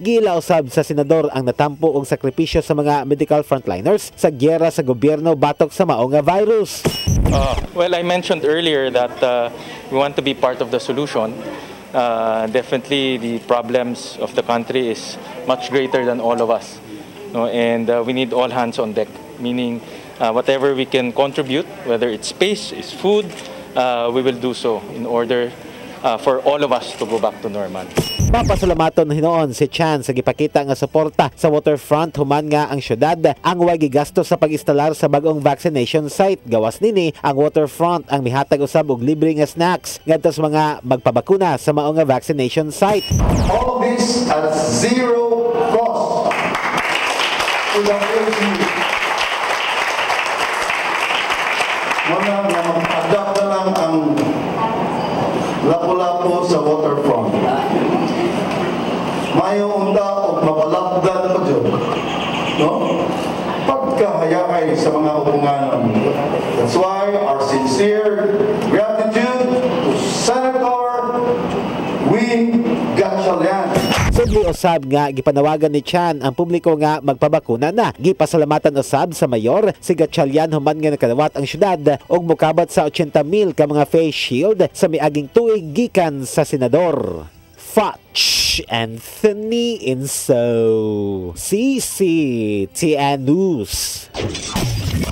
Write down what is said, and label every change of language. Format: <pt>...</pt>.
<ceb>Gila usab sa senador ang natampo og sakripisyo sa mga medical frontliners sa giyera sa gobyerno batok sa maonga virus.</ceb> <en>Well, I mentioned earlier that we want to be part of the solution. Definitely, the problems of the country is much greater than all of us. No? And we need all hands on deck, meaning whatever we can contribute, whether it's space, it's food, we will do so in order for all of us to go back to normal.</en> <ceb>Papasalamaton hinoon si Chan sa gipakita nga suporta sa waterfront human nga ang syudad ang way gigasto sa pag-instalar sa bagong vaccination site. Gawas nini, ang waterfront ang mihatag usab og libre nga snacks ngadto sa mga magpabakuna sa maong nga vaccination site.</ceb> <en>All this at zero cost to the community.</en> <ceb>Wala nga mag-adapt na lang ang lapu-lapu sa waterfront. Mayo unta og mapalapdan pa jud, no? Pagkahayagay sa mga upunganon.</ceb> <en>That's why our sincere gratitude to Senator Win Gatchalian.</en> <ceb>Sabi usab nga gipanawagan ni Chan ang publiko nga magpabakuna na. Gipasalamatan usab sa mayor si Gatchalian human nga nakadawat ang syudad og mukabat sa 80,000 ka mga face shield sa miaging tuig gikan sa senador. Fudge Anthony Inso, CCTN News.</ceb>